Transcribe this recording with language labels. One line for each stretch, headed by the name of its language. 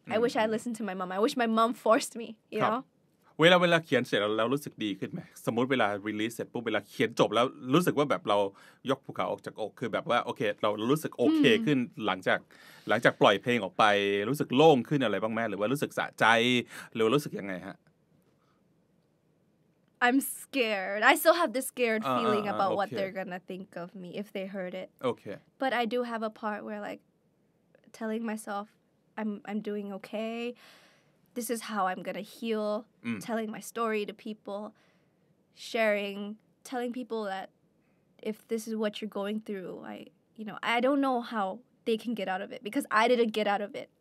English: I wish I listened to my mom. I wish my mom forced me, you know?
Thai: เวลาเขียนเสร็จแล้วเรารู้สึกดีขึ้นไหมสมมติเวลา release เสร็จปุ๊บเวลาเขียนจบแล้วรู้สึกว่าแบบเรายกภูเขาออกจากอกคือแบบว่าโอเคเรารู้สึกโอเคขึ้นหลังจากปล่อยเพลงออกไปรู้สึกโล่งขึ้นอะไรบ้างไหมหรือว่ารู้สึกสะใจหรือรู้สึกยังไงฮะ
English: I'm scared. I still have this scared feeling about what they're gonna think of me if they heard it. Okay. But I do have a part where like telling myself I'm doing okay. This is how I'm gonna heal. Telling my story to people, sharing, telling people that if this is what you're going through, I don't know how they can get out of it because I didn't get out of it.